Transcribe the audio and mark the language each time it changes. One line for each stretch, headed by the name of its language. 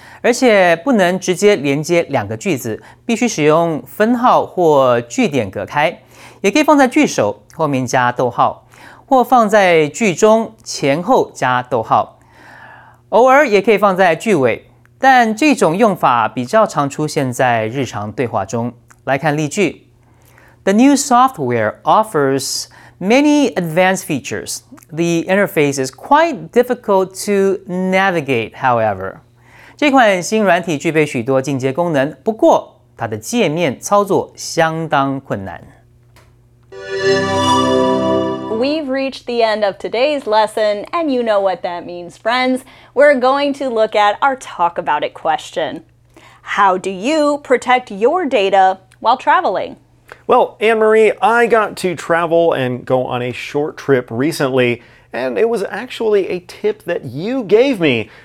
Chinese: 而且不能直接连接两个句子，必须使用分号或句点隔开，也可以放在句首后面加逗号，或放在句中前后加逗号，偶尔也可以放在句尾，但这种用法比较常出现在日常对话中。来看例句
English: ：The new software offers many advanced features. The interface is quite difficult to navigate, however.
Chinese: 这款新软体具备许多进阶功能，不过它的界面操作相当困难。
English: We've reached the end of today's lesson, and you know what that means, friends. We're going to look at our talk about it question. How do you protect your data while traveling? Well, Anne-Marie, I got to travel and go on a short trip recently, and it was actually a tip that you gave me.